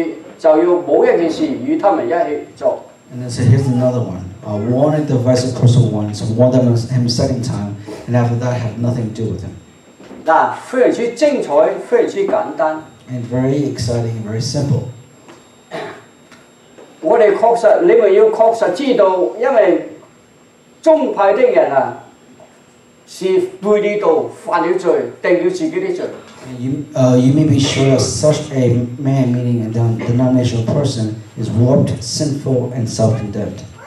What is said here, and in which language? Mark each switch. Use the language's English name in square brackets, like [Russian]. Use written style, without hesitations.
[Cantonese] 嗱，呢度係另一個分門結黨的人，警告一次，警告第二次，就要冇一件事與他們一起做。 [English] And then said, here's another one. A warning device of personal warning, so warn them him a second time, and after that, have nothing to do with him. [Cantonese] 嗱，非常之精彩，非常之簡單。 [English] And very exciting, very simple. [Cantonese] 我哋確實，你咪要確實知道，因為宗派的人啊，是背離道犯了罪，定了自己的罪。 [English] You may be sure that such a man, meaning a denominational person, is warped, sinful, and self-condemned.